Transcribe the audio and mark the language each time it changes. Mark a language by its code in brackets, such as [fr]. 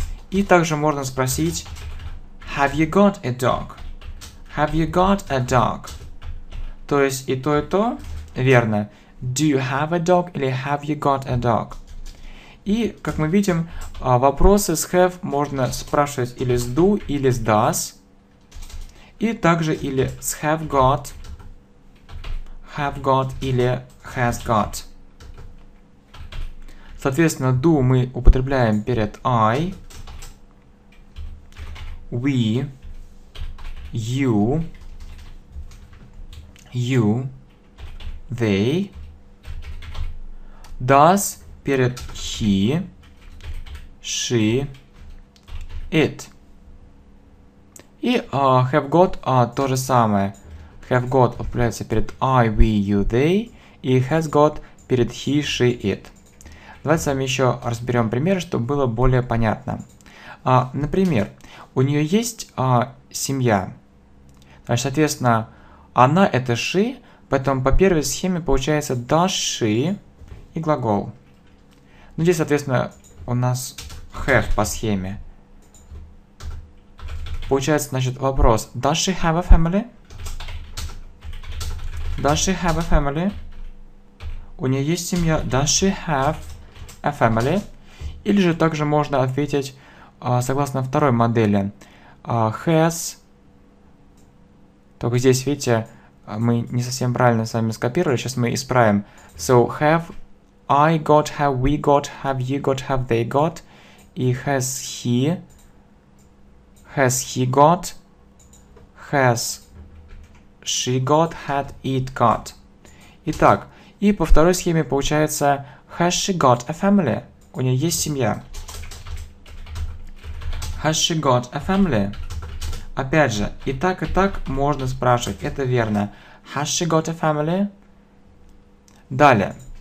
[ru] И также можно спросить, [en] have you got a dog? Have you got a dog? [ru] То есть и то, верно. [en] Do you have a dog или have you got a dog? [ru] И, как мы видим, вопросы с have можно спрашивать или с do, или с does. И также или с have got или has got. Соответственно, do мы употребляем перед I. [en] We, you, they, does перед he, she, it. [ru] И have got то же самое. [en] Have got появляется перед I, we, you, they, и has got перед he, she, it. [ru] Давайте с вами еще разберем пример, чтобы было более понятно. Например, у нее есть семья. Значит, соответственно, она – это she, поэтому по первой схеме получается does she и глагол. Ну, здесь, соответственно, у нас have по схеме. Получается, значит, вопрос [en] – does she have a family? Does she have a family? [ru] У нее есть семья [en] – does she have a family? [ru] Или же также можно ответить – согласно второй модели, has, только здесь, видите, мы не совсем правильно с вами скопировали, сейчас мы исправим. [en] So, have I got, have we got, have you got, have they got, и has he got, has she got, had it got. [ru] Итак, и по второй схеме получается, [en] has she got a family, [ru] у нее есть семья. [en] Has she got a family? [ru] Опять же, и так можно спрашивать, это верно. [en] Has she got a family? Далее.